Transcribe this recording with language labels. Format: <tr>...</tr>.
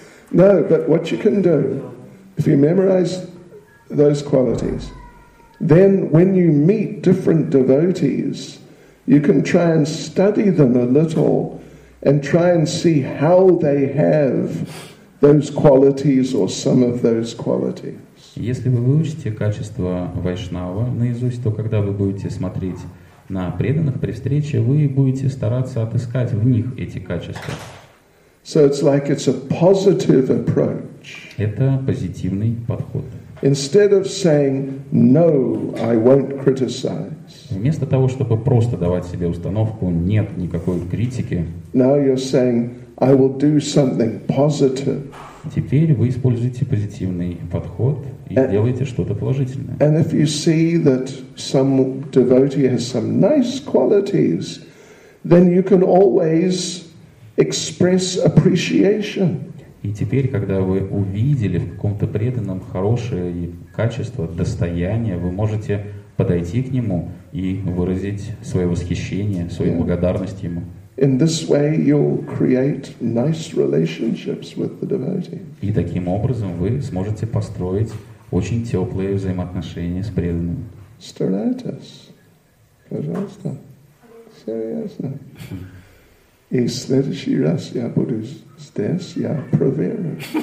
<en>No, but what you can do, if you memorize those qualities, then when you meet different devotees, you can try and study them a little and try and see how they have those qualities or some of those qualities.</en> <ru>Если вы выучите качество вайшнава наизусть, то когда вы будете смотреть на преданных при встрече, вы будете стараться отыскать в них эти качества.</ru> <en>So it's like it's a positive approach.</en> <ru>Это позитивный подход.</ru> <en>Instead of saying no, I won't criticize.</en> <ru>Вместо того, чтобы просто давать себе установку нет никакой критики.</ru> <en>Now you're saying I will do something positive.</en> <ru>Теперь вы используете позитивный подход и делаете что-то положительное.</ru> <en>And if you see that some devotee has some nice qualities, then you can always express appreciation.</en> <ru>И теперь, когда вы увидели в каком-то преданном хорошее качество, достояние, вы можете подойти к нему и выразить свое восхищение, свою благодарность ему.</ru> <en>In this way you'll create nice relationships with the devotee.</en> <ru>И таким образом вы сможете построить очень теплые взаимоотношения с преданным. Старайтесь. Пожалуйста. Серьезно. И в следующий раз я буду здесь, я проверю.</ru>